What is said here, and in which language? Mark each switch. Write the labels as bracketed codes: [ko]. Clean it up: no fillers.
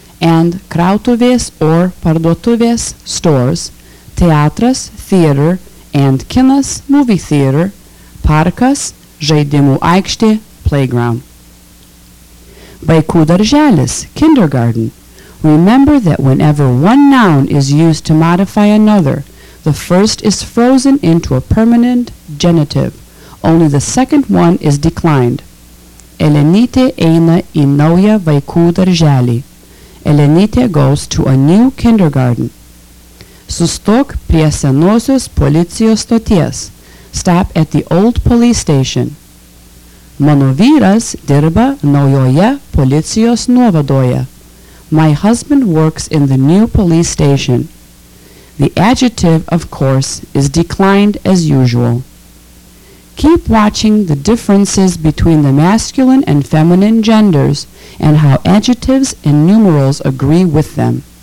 [en] And krautuvės or parduotuvės, stores, teatras, theater, and kinas, movie theater, parkas, žaidimų aikštė, playground. [lt] Vaikų darželis, kindergarten. [en] Remember that whenever one noun is used to modify another, the first is frozen into a permanent genitive. Only the second one is declined. [lt] Elenytė eina į naują vaikų darželį. [en] Elenytė goes to a new kindergarten. [lt] Sustok prie senosios policijos stoties. [en] Stop at the old police station. [lt] Mano vyras dirba naujoje policijos nuovadoje. [en] My husband works in the new police station. The adjective, of course, is declined as usual. Keep watching the differences between the masculine and feminine genders and how adjectives and numerals agree with them.